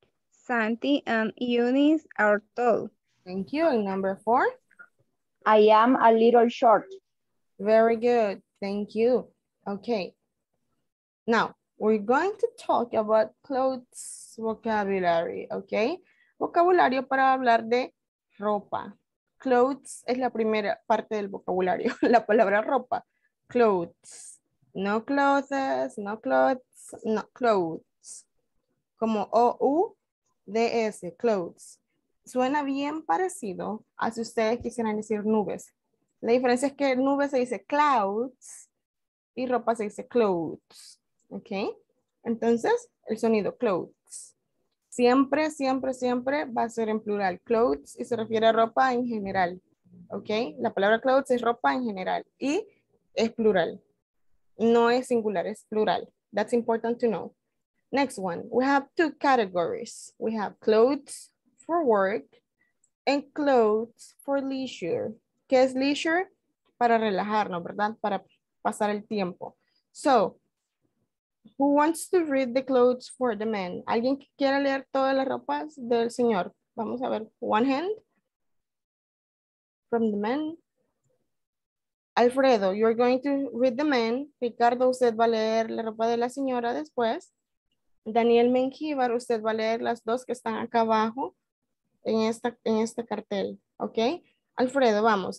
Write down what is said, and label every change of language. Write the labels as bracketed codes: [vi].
[en] Santi and Eunice are tall. Thank you. And number 4? I am a little short. Very good. Thank you. Okay. Now, we're going to talk about clothes vocabulary, okay? [es] Vocabulario para hablar de ropa. Clothes es la primera parte del vocabulario, la palabra ropa. Clothes, no clothes, no clothes, no clothes. Como O-U-D-S, clothes. Suena bien parecido a si ustedes quisieran decir nubes. La diferencia es que nubes se dice clouds y ropa se dice clothes. ¿Ok? Entonces, el sonido clothes. Siempre, siempre, siempre va a ser en plural. Clothes y se refiere a ropa en general. ¿Ok? La palabra clothes es ropa en general. Y es plural. No es singular, es plural. [en] That's important to know. Next one. We have two categories. We have clothes for work and clothes for leisure. [es] ¿Qué es leisure? Para relajarnos, ¿verdad? Para pasar el tiempo. [en] So, who wants to read the clothes for the men? [es] ¿Alguien que quiera leer todas las ropas del señor? Vamos a ver. [en] One hand. From the men. Alfredo, you're going to read the men. [es] Ricardo, usted va a leer la ropa de la señora después. Daniel Menjivar, usted va a leer las dos que están acá abajo en esta cartel. ¿Ok? Alfredo, vamos.